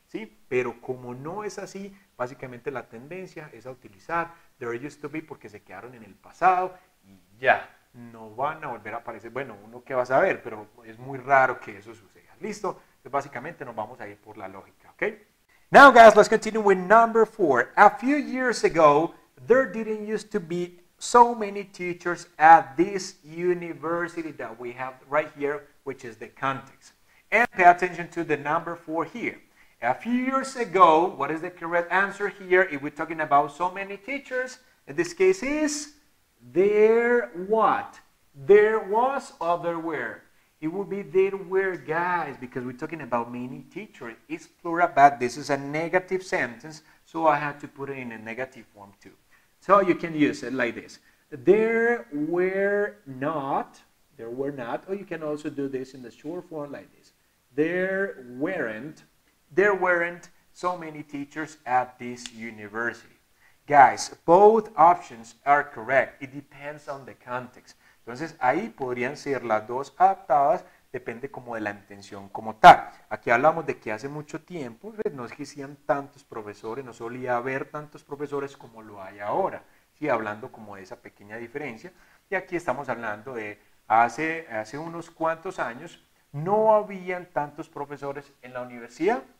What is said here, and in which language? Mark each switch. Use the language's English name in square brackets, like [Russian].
[Spanish] ¿Sí? Pero como no es así, básicamente la tendencia es a utilizar [English] there used to be [Spanish] porque se quedaron en el pasado y ya, no van a volver a aparecer. Bueno, uno qué va a saber, pero es muy raro que eso suceda. ¿Listo? Entonces básicamente nos vamos a ir por la lógica, ¿ok? [English] Now guys, let's continue with number four. A few years ago, there didn't used to be so many teachers at this university that we have right here, which is the context. And pay attention to the number four here. A few years ago, what is the correct answer here if we're talking about so many teachers? In this case is there what? There was or there were? It would be there were, guys, because we're talking about many teachers. It's plural, but this is a negative sentence, so I had to put it in a negative form too. So you can use it like this. There were not, or you can also do this in the short form like this. There weren't so many teachers at this university. Guys, both options are correct. It depends on the context. [Spanish] Entonces, ahí podrían ser las dos adaptadas, depende como de la intención como tal. Aquí hablamos de que hace mucho tiempo, pues, no existían tantos profesores, no solía haber tantos profesores como lo hay ahora. Sí, hablando como de esa pequeña diferencia. Y aquí estamos hablando de hace unos cuantos años, no habían tantos profesores en la universidad.